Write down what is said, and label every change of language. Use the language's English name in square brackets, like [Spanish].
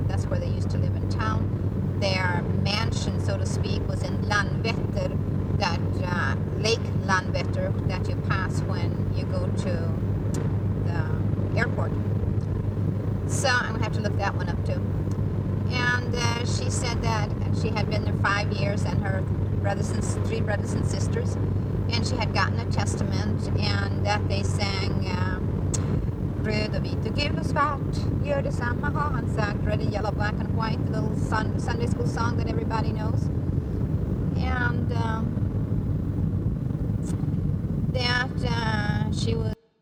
[English] That's where they used to live in town. Their mansion, so to speak, was in Landvetter, that Lake Landvetter that you pass when you go to the airport. So I'm going to have to look that one up too. And she said that she had been there 5 years and her three brothers and sisters. And she had gotten a testament and that they sang, [Swedish] Röd och vit och gul och svart, gör detsamma har han sagt. [English] Red, yellow, black and white, the little Sunday school song that everybody knows. And that she was.